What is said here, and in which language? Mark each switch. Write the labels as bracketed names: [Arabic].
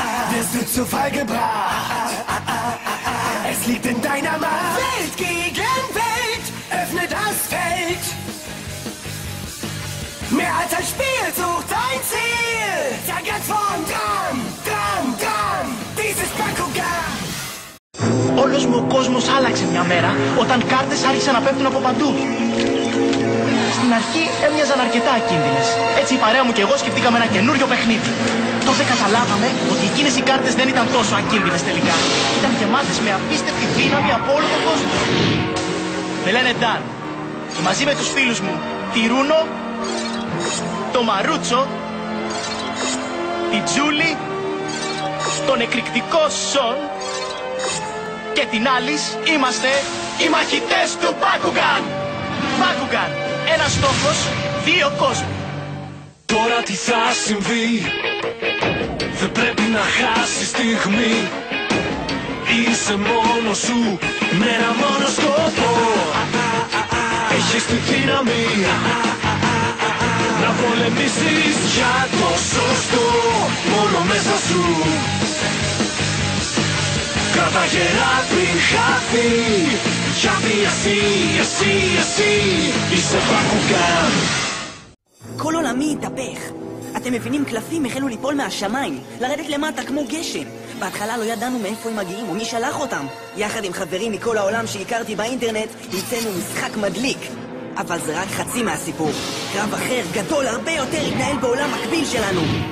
[German] Wirst du zu Fall gebracht? Es liegt in deiner Macht. Welt gegen Welt, öffne das Feld. Mehr als ein Spiel, such dein Ziel. Sag jetzt vorn dran, dran, dran. Dies ist Bakugan. [Greek] Όλος μου ο κόσμος άλλαξε μια μέρα όταν κάρτες άρχισαν να πέφτουν από παντού. Στην αρχή έμοιαζαν αρκετά ακίνδυνες. Έτσι η παρέα μου και εγώ σκεφτήκαμε ένα καινούριο παιχνίδι. Τότε καταλάβαμε ότι εκείνες οι κάρτες δεν ήταν τόσο ακίνδυνες τελικά. Ήταν γεμάτες με απίστευτη δύναμη από όλο τον κόσμο. Με λένε Dan. Και μαζί με τους φίλους μου, τη Runo, το Marucho, τη Julie, τον εκρηκτικό Shun και την Alice, είμαστε οι μαχητές του Bakugan. Bakugan, ένας στόχος, δύο κόσμοι. Τώρα τι θα συμβεί, δεν πρέπει να χάσεις στιγμή. Είσαι μόνος σου, με ένα μόνο σκοπό. Έχεις τη δύναμη, να πολεμήσεις για το σωστό μόνο μέσα σου. Κράτα γερά πριν χαθεί, γιατί εσύ είσαι Bakugan. [Hebrew] כל עולמי התהפך. אתם מבינים, קלפים החלו ליפול מהשמיים, לרדת למטה כמו גשם. בהתחלה לא ידענו מאיפה הם מגיעים ומי שלח אותם. יחד עם חברים מכל העולם שהכרתי באינטרנט, ייצאנו משחק מדליק. אבל זה רק חצי מהסיפור. קרב אחר, גדול, הרבה יותר, התנהל בעולם מקביל שלנו.